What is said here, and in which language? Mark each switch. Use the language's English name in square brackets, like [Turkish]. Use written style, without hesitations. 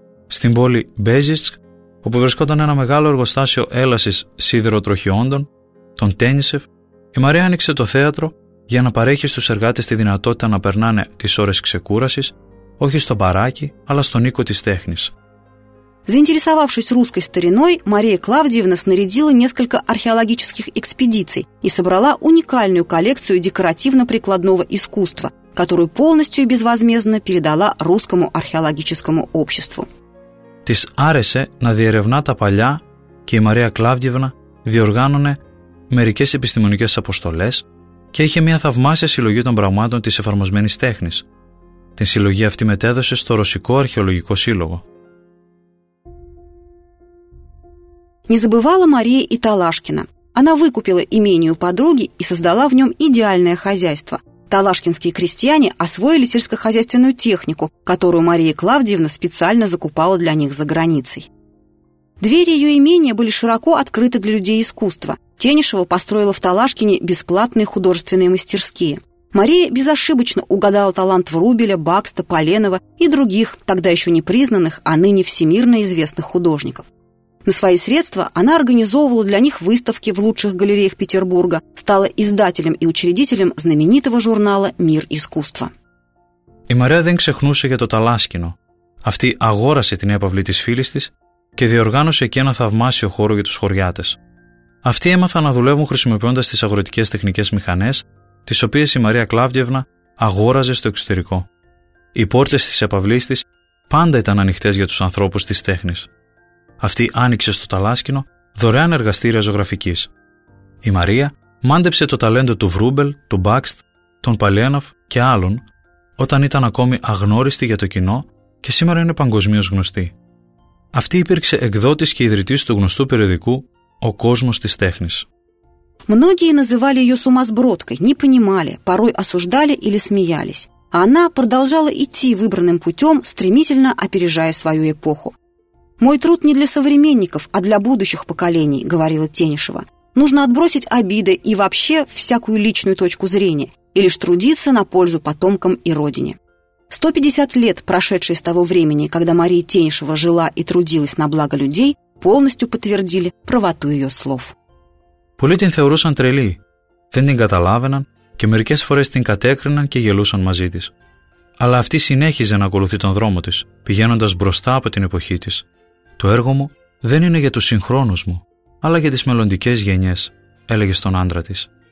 [Greek] Στην πόλη Μπέζιτσκ, όπου βρισκόταν ένα μεγάλο εργοστάσιο έλασης σιδηροτροχιόντων, τον Τένισεφ, η Μαρία άνοιξε το θέατρο για να παρέχει στους εργάτες τη δυνατότητα να περνάνε τις ώρες ξεκούρασης, όχι στο μπαράκι, αλλά στον οίκο της τέχνης. [Russian] Заинтересовавшись русской стариной, Мария Клавдиевна снарядила несколько археологических экспедиций и собрала уникальную коллекцию декоративно-прикладного искусства, которую полностью и безвозмездно передала Русскому археологическому обществу. [Greek] Της άρεσε να διερευνά τα παλιά και η Μαρία Κλάβδιευνα διοργάνωνε μερικές επιστημονικές αποστολές και είχε μια θαυμάσια συλλογή των πραγμάτων της εφαρμοσμένης τέχνης. Την συλλογή αυτή μετέδωσε στο Ρωσικό Αρχαιολογικό Σύλλογο. [Russian] Не забывала Мария и Талашкина. Она выкупила имение у подруги и создала в нем идеальное хозяйство. Талашкинские крестьяне освоили сельскохозяйственную технику, которую Мария Клавдиевна специально закупала для них за границей. Двери ее имения были широко открыты для людей искусства. Тенишева построила в Талашкине бесплатные художественные мастерские. Мария безошибочно угадала талант Врубеля, Бакста, Поленова и других, тогда еще не признанных, а ныне всемирно известных художников. На свои средства она организовывала для них выставки в лучших галереях Петербурга, стала издателем и учредителем знаменитого журнала «Мир искусства». [Greek] Η Μαρία δεν ξεχνούσε για το Ταλάσκινο. Αυτή αγόρασε την έπαυλη της φίλης της και διοργάνωσε εκεί ένα θαυμάσιο χώρο για τους χωριάτες. Αυτοί έμαθαν να δουλεύουν χρησιμοποιώντας τις αγροτικές τεχνικές μηχανές, τις οποίες η Μαρία Κλάβδιευνα αγόραζε στο εξωτερικό. Οι πόρτες της έπαυλής της πάντα ήταν ανοιχτές για τους ανθρώπους της τέχνης. Αυτή άνοιξε στο Ταλάσκινο δωρεάν εργαστήρια ζωγραφικής. Η Μαρία μάντεψε το ταλέντο του Βρούμπελ, του Μπάξτ, των Παλιένοφ και άλλων όταν ήταν ακόμη αγνώριστη για το κοινό και σήμερα είναι παγκοσμίως γνωστή. Αυτή υπήρξε εκδότης και ιδρυτής του γνωστού περιοδικού «Ο κόσμος της τέχνης». [Russian] Многие называли ее сумасбродкой, не понимали, порой осуждали или смеялись. А она продолжала идти выбранным путем, стремительно опережая свою эпоху. «Мой труд не для современников, а для будущих поколений», — говорила Тенишева. «Нужно отбросить обиды и вообще всякую личную точку зрения и лишь трудиться на пользу потомкам и родине». 150 лет, прошедшие с того времени, когда Мария Тенишева жила и трудилась на благо людей, полностью подтвердили правоту ее слов. [Greek] Πολλοί την θεωρούσαν τρελή, δεν την καταλάβαιναν και μερικές φορές την κατέκριναν και γελούσαν μαζί της. Αλλά αυτή συνέχιζε να ακολουθεί τον δρόμο της, πηγαίνοντας μπροστά από την εποχή της. «Το έργο μου δεν είναι για τους συγχρόνους μου, αλλά για τις μελλοντικές γενιές», έλεγε στον άντρα της.